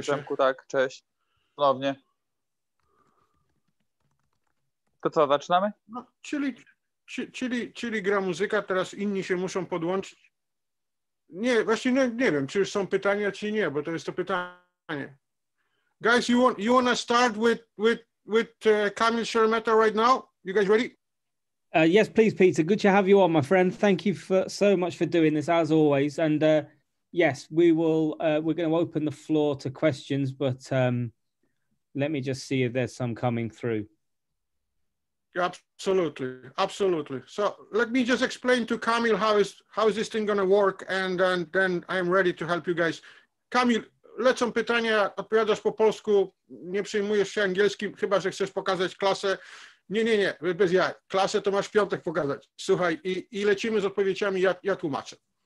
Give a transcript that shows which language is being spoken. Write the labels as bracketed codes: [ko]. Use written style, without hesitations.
[pl] Przemku, tak, cześć. Ponownie. To co, zaczynamy? No, Czyli gra muzyka, teraz inni się muszą podłączyć. Nie, właśnie nie wiem, czy już są pytania, czy nie, bo to jest to pytanie. [en] Guys, you want to start with Kamil Szeremeta right now? You guys ready? Yes, please, Peter. Good to have you on, my friend. Thank you so much for doing this, as always. And yes, we will. We're going to open the floor to questions, but let me just see if there's some coming through. Absolutely. So let me just explain to Kamil how is this thing gonna work, and then I'm ready to help you guys. [pl] Kamil, lecą pytania, odpowiadasz po polsku, nie przyjmujesz się angielskim, chyba że chcesz pokazać klasę. Nie, bez jaj. Klasę to masz w piątek pokazać. Słuchaj, i lecimy z odpowiedziami, ja tłumaczę.